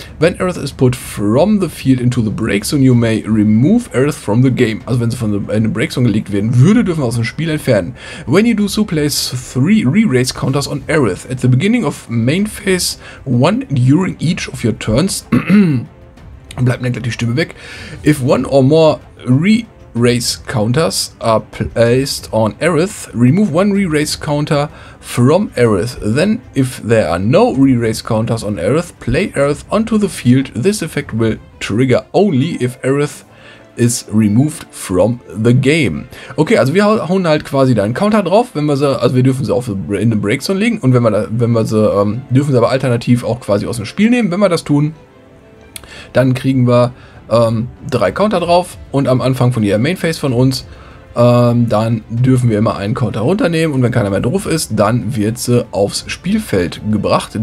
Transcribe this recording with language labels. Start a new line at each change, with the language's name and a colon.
English: When Aerith is put from the field into the break zone, you may remove Aerith from the game.
German: Also wenn sie von in den Break zone gelegt werden würde, dürfen wir aus dem Spiel entfernen.
English: When you do so, place 3 re-raise counters on Aerith. At the beginning of main phase, 1 during each of your turns.
German: Bleibt mir gleich die Stimme weg.
English: If one or more re-raise counters are placed on Aerith, remove one re-raise counter from Aerith. Then, if there are no re-raise counters on Aerith, play Aerith onto the field. This effect will trigger only if Aerith is removed from the game.
German: Okay, also wir hauen halt quasi da einen Counter drauf, wenn wir sie, also wir dürfen sie auf in den Breakzone legen und dürfen sie aber alternativ auch quasi aus dem Spiel nehmen. Wenn wir das tun, dann kriegen wir 3 Counter drauf und am Anfang von jeder Main Phase von uns, dann dürfen wir immer einen Counter runternehmen und wenn keiner mehr drauf ist, dann wird sie aufs Spielfeld gebracht.